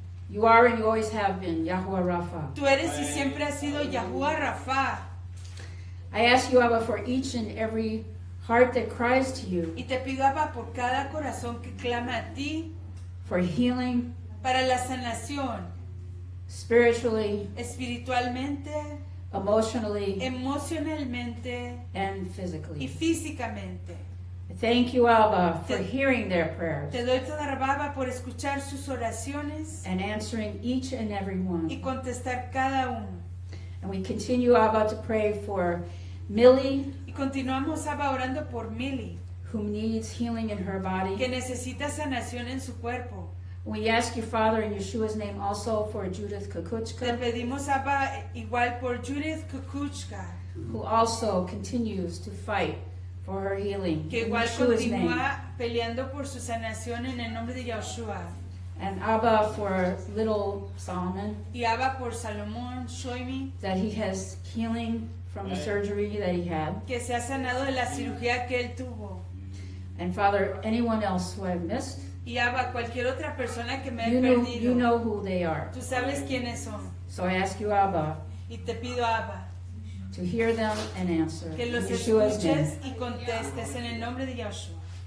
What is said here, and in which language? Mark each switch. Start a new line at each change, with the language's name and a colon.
English: You are and you always have been, Yahuwah Rapha.
Spanish: Tú eres y siempre has sido Yahuwah Rapha.
English: I ask you, Abba, for each and every heart that cries to you.
Spanish: Y te pido, Abba, por cada corazón que clama a ti.
English: For healing.
Spanish: Para la sanación.
English: Spiritually.
Spanish: Espiritualmente.
English: Emotionally.
Spanish: Emocionalmente.
English: And physically.
Spanish: Y físicamente.
English: Thank you, Abba, for hearing their prayers.
Spanish: Te doy
Hebrew: toda rabba
Spanish: por escuchar sus oraciones.
English: And answering each and every one.
Spanish: Y contestar cada uno.
English: And we continue, Abba, to pray for Millie.
Spanish: Y continuamos, Abba, orando por Millie.
English: Who needs healing in her body.
Spanish: Que necesita sanación en su cuerpo.
English: We ask you, Father, in Yeshua's name also for Judith Kukuchka.
Spanish: Te pedimos, Abba, igual por Judith Kukuchka.
English: Who also continues to fight. For her healing.
Spanish: Que igual continúa peleando por su sanación en el nombre de Yahushua.
English: And Abba for little Solomon.
Spanish: Y Abba por Salomón, Shoimi.
English: That he has healing from the surgery that he had.
Spanish: Que se ha sanado de la cirugía que él tuvo.
English: And Father, anyone else who I've missed.
Spanish: Y Abba, cualquier otra persona que me
English: you he know,
Spanish: perdido.
English: You know who they are.
Spanish: Tú sabes quiénes son.
English: So I ask you, Abba.
Spanish: Y te pido, Abba.
English: To hear them and answer.
Spanish: Que los escuches y contestes en el nombre de Yahushua.